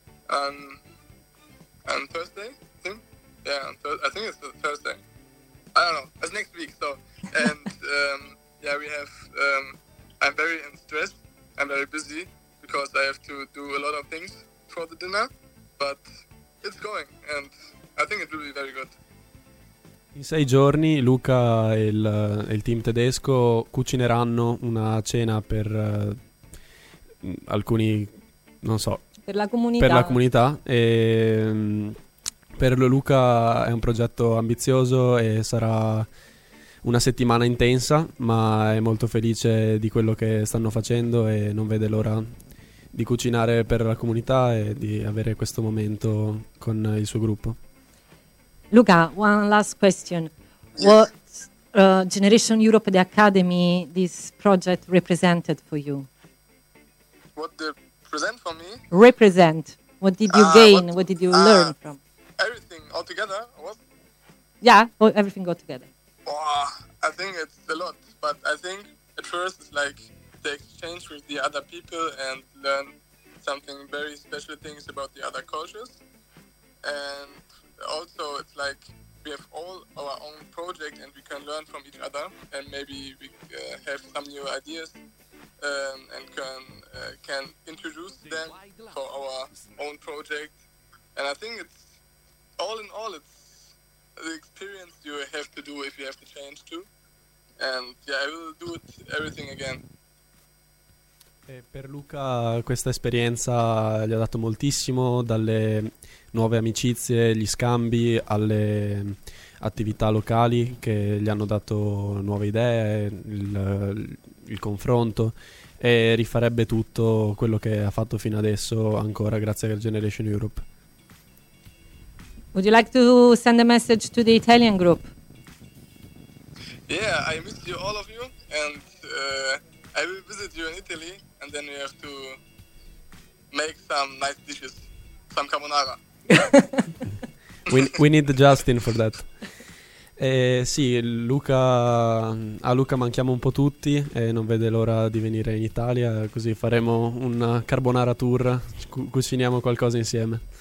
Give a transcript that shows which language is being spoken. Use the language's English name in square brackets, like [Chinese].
[English] On Thursday, I think. Yeah, I think it's Thursday. I don't know. It's next week. So and yeah, we have. I'm very in stress. I'm very busy because I have to do a lot of things for the dinner. But it's going, and I think it will be very good. [Italian] In 6 giorni Luca e il team tedesco cucineranno una cena per alcuni, non so, per la comunità. Per la comunità. E per Luca è un progetto ambizioso e sarà una settimana intensa, ma è molto felice di quello che stanno facendo e non vede l'ora di cucinare per la comunità e di avere questo momento con il suo gruppo. [English] Luca, one last question. What Generation Europe, the Academy, this project represented for you? What the present for me? Represent. What did you gain? What did you learn from? Everything all together. What? Yeah, everything got together. Oh, I think it's a lot, but I think at first it's like the exchange with the other people and learn something very special things about the other cultures. And also it's like we have all our own project and we can learn from each other and maybe we have some new ideas and can introduce them for our own project. And I think it's all in all it's the experience you have to do if you have to change too. And yeah, I will do it everything again. [Italian] E per Luca questa esperienza gli ha dato moltissimo, dalle nuove amicizie, gli scambi, alle attività locali che gli hanno dato nuove idee, il confronto, e rifarebbe tutto quello che ha fatto fino adesso ancora grazie al Generation Europe. [English] Would you like to send a message to the Italian group? Yeah, I miss you all of you and I will visit you in Italy. And then we have to make some nice dishes, some carbonara. we need Justin for that. [Italian] Sì, Luca, a Luca manchiamo un po' tutti e non vede l'ora di venire in Italia, così faremo una carbonara tour, cuciniamo qualcosa insieme.